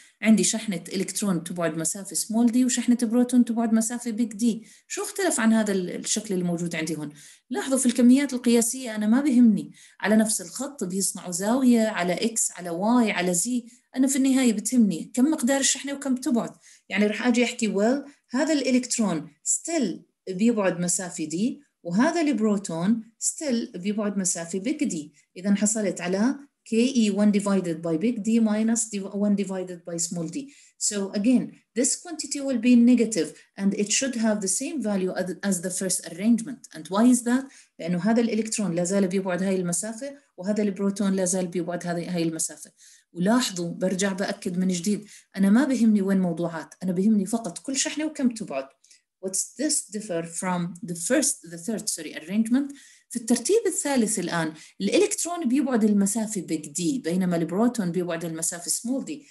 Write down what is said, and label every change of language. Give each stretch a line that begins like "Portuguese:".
Arabic: عندي شحنة إلكترون تبعد مسافة سمول دي وشحنة بروتون تبعد مسافة بيج دي، شو اختلف عن هذا الشكل الموجود عندي هون؟ لاحظوا في الكميات القياسية أنا ما بهمني، على نفس الخط بيصنعوا زاوية، على إكس، على واي، على زي، أنا في النهاية بتهمني كم مقدار الشحنة وكم تبعد. يعني رح أجي أحكي well هذا الإلكترون still بيبعد مسافة دي، وهذا البروتون still بيبعد مسافة بيج دي، إذا حصلت على
English: KE 1 divided by big D minus 1 divided by small d. So again, this quantity will be negative and it should have the same value as the first arrangement. And why is that?
Arabic: لأنه هذا الإلكترون لازال بيبعد هاي المسافة وهذا البروتون لازال بيبعد هاي المسافة. ولاحظوا برجع بأكد من جديد، أنا ما بهمني وين موضوعات، أنا بهمني فقط كل شحنة وكم تبعد.
English: What's this differ from the third arrangement؟
Arabic: في الترتيب الثالث الآن الإلكترون بيبعد المسافة big D بينما البروتون بيبعد المسافة small d.